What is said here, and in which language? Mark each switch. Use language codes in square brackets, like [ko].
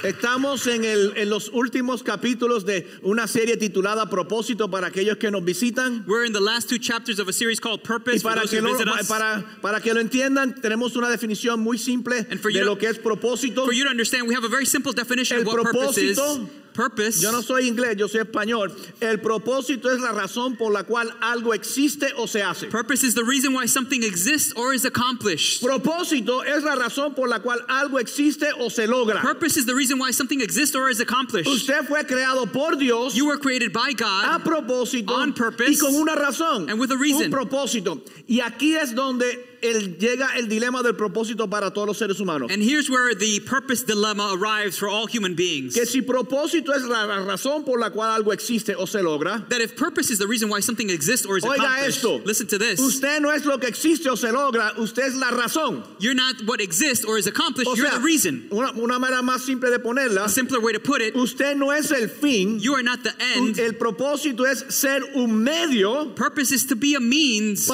[es] Estamos en los últimos capítulos de una serie titulada Propósito para aquellos que nos visitan. [en] We're in the last two chapters of a series called Purpose for those who visit us. [es] Para que lo entiendan, tenemos una definición muy simple de lo que es propósito. [en] For you to understand, we have a very simple definition [es] el [en] of what purpose is. [es] Purpose. Yo no soy inglés, yo soy español. El propósito es la razón por la cual algo existe o se hace. [en] Purpose is the reason why something exists or is accomplished. [es] Propósito es la razón por la cual algo existe o se logra. [en] Purpose is the reason why something exists or is accomplished. [es] Usted fue creado por Dios. [en] You were created by God. [es] A propósito. [en] On purpose. [es] Y con una razón. [en] And with a reason. [es] Un propósito. Y aquí es donde llega el dilema del propósito para todos los seres humanos. [en] And here's where the purpose dilemma arrives for all human beings. [es] Que si propósito es la razón por la cual algo existe o se logra. [en] That if purpose is the reason why something exists or is accomplished. [es] Oiga esto. [en] Listen to this. [es] Usted no es lo que existe o se logra, usted es la razón. [en] You're not what exists or is accomplished, [es] o sea, [en] you're the reason. [es] Una manera más simple de ponerla. [en] A simpler way to put it. [es] Usted no es el fin. [en] You are not the end. [es] El propósito es ser un medio. [en] Purpose is to be a means.